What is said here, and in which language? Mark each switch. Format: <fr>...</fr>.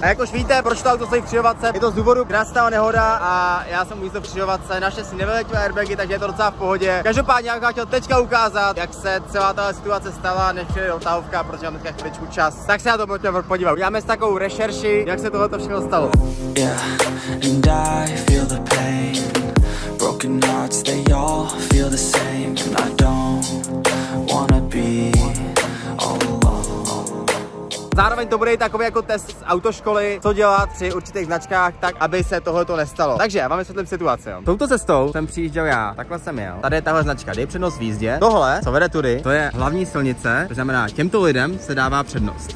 <cs>A jak už víte, proč to auto stojí v křižovatce, je to z důvodu, kdy nastala nehoda a já jsem u místo křižovatce, naše si nevyletěl airbagy, takže je to docela v pohodě. Každopádně, já bych chtěl teďka ukázat, jak se celá tahle situace stala, než přijde dotahovka, protože mám teďka chviličku čas. Tak se na to pojďme podívat. Uděláme s takovou rešerši, jak se tohle všechno stalo.</cs> <en>And I feel the pain. Broken hearts, they all feel the same. And I don't wanna be all alone.</en> <cs>Zároveň to bude i takový jako test z autoškoly, co dělat při určitých značkách, tak aby se tohleto nestalo. Takže já vám vysvětlím situaci. Touto cestou jsem přijížděl já, takhle jsem jel. Tady je tahle značka, dej přednost v jízdě. Tohle, co vede tudy, to je hlavní silnice, to znamená, těmto lidem se dává přednost.</cs>